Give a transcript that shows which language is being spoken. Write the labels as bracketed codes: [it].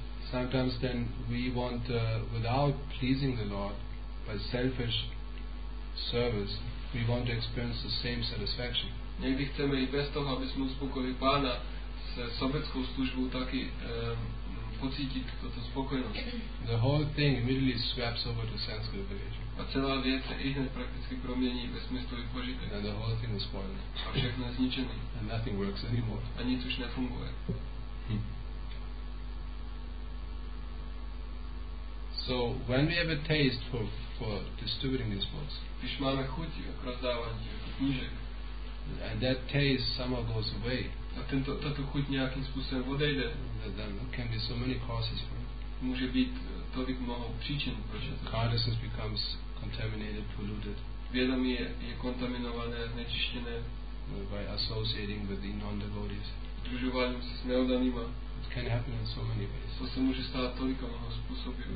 [en] Sometimes then we want, without pleasing the Lord, by selfish service, we want to experience the same satisfaction. [cs] Někdy chceme i bez toho, aby jsme uspokojili Pána, se sobeckou službou taky pocítit toto spokojenost. [en] The whole thing immediately swaps over to sense gratification. [cs] A celá věc se i hned prakticky promění ve smyslu i požitek. [en] And the whole thing is spoiled. [cs] A všechno je zničené. [en] And nothing works anymore. [cs] A nic už nefunguje. [en] So when we have a taste for distributing these books, [cs] když máme chuť k rozdávání knížek, [en] and that taste somehow goes away, [cs] a tato chuť nějakým způsobem odejde, [en] then can be so many causes for it. [cs] Může být tolik mnoho příčin, proč to. [en] Consciousness becomes contaminated, polluted. [cs] Vědomí je kontaminované, znečištěné. [en] By associating with the non-devotees. [cs] Družováním se s neodanýma. [en] Can happen in so many ways. [cs] To se může stát tolika mnoho způsobů.